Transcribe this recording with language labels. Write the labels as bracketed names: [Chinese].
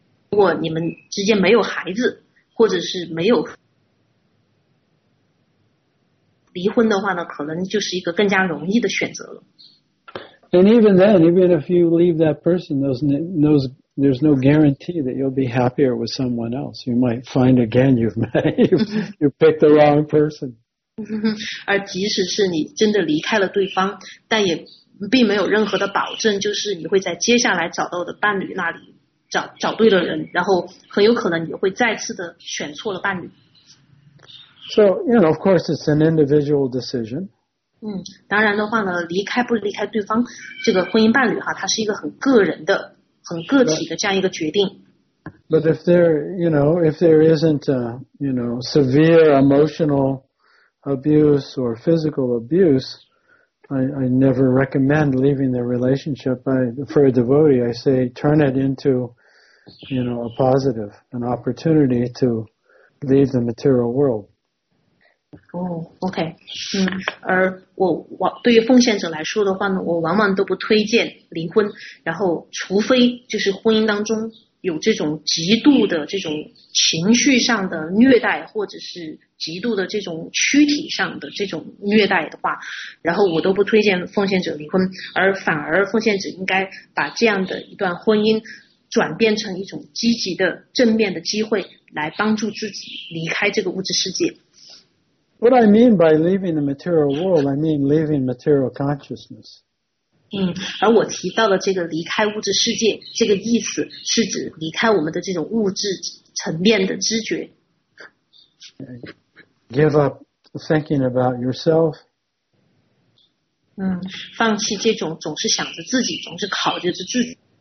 [Chinese] 如果你们之间没有孩子，或者是没有离婚的话呢，可能就是一个更加容易的选择了。 [English] And even then, even if you leave that person, there's no guarantee that you'll be happier with someone else. You might find again you picked the wrong person. [Chinese] 而即使是你真的离开了对方，但也并没有任何的保证，就是你会在接下来找到的伴侣那里找对了人，然后很有可能你会再次的选错了伴侣。 [English] So, you know, of course, it's an individual decision. [Chinese] 当然的话呢，离开不离开对方，这个婚姻伴侣哈，它是一个很个人的、很个体的这样一个决定。 [English] But if there, you know, if there isn't, you know, severe emotional abuse or physical abuse, I never recommend leaving the relationship. For a devotee, I say turn it into, you know, a positive, an opportunity to leave the material world. [Chinese] OK, 而我对于奉献者来说的话呢，我往往都不推荐离婚，然后除非就是婚姻当中有这种极度的这种情绪上的虐待，或者是极度的这种躯体上的这种虐待的话，然后我都不推荐奉献者离婚，而反而奉献者应该把这样的一段婚姻转变成一种积极的正面的机会，来帮助自己离开这个物质世界。 [English] What I mean by leaving the material world, I mean leaving material consciousness. [Chinese] 而我提到的这个离开物质世界，这个意思是指离开我们的这种物质层面的知觉。 [English] Give up thinking about yourself. [Chinese] 放弃这种总是想着自己，总是考虑着自己。